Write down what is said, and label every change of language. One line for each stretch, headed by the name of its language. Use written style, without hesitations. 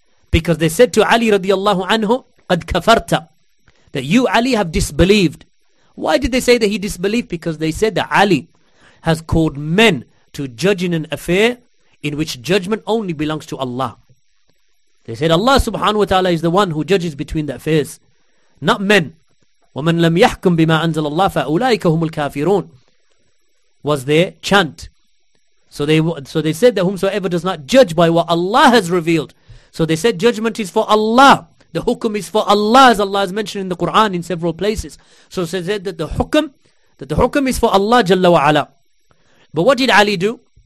English: Because they said to Ali radiallahu anhu,
Arabic: قَدْ كَفَرْتَ,
English: that you, Ali, have disbelieved. Why did they say that he disbelieved? Because they said that Ali has called men to judge in an affair in which judgment only belongs to Allah. They said Allah subhanahu wa ta'ala is the one who judges between the affairs, not men.
Arabic: وَمَنْ لَمْ يَحْكُمْ بِمَا أَنزَلَ اللَّهِ فَأُولَٰئِكَ هُمُ الْكَافِرُونَ
English: was their chant. So they said that whomsoever does not judge by what Allah has revealed. So they said judgment is for Allah. The hukum is for Allah, as Allah has mentioned in the Quran in several places. So they said that the hukum is for Allah Jalla wa Ala. But what did Ali do?